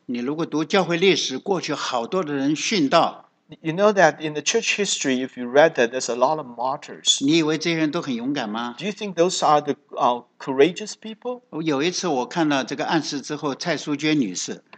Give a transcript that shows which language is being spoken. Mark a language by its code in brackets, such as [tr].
[zh] 你如果读教会历史,过去好多的人殉道。 [en] You know that in the church history, if you read that, there's a lot of martyrs. [zh] 你以为这些人都很勇敢吗? [en] Do you think those are the courageous people? [zh] 有一次我看到这个暗示之后, 蔡淑娟女士。